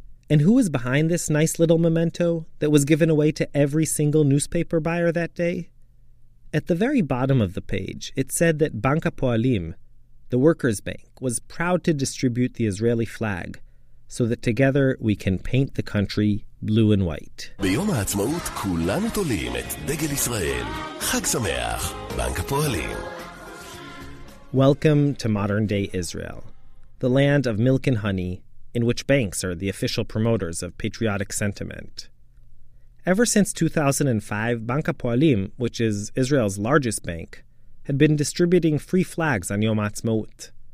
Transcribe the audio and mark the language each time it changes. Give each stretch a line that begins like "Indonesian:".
English: And who was behind this nice little memento that was given away to every single newspaper buyer that day? At the very bottom of the page, it said that Bank HaPoalim, the workers' bank, was proud to distribute the Israeli flag, so that together we can paint the country blue and white.
Hebrew: ביום העצמאות כולנו תולים את דגל ישראל. חג שמח, בנק הפועלים.
English: Welcome to modern day Israel, the land of milk and honey, in which banks are the official promoters of patriotic sentiment. Ever since 2005, Bank HaPoalim, which is Israel's largest bank, had been distributing free flags on Yom HaAtzmaut.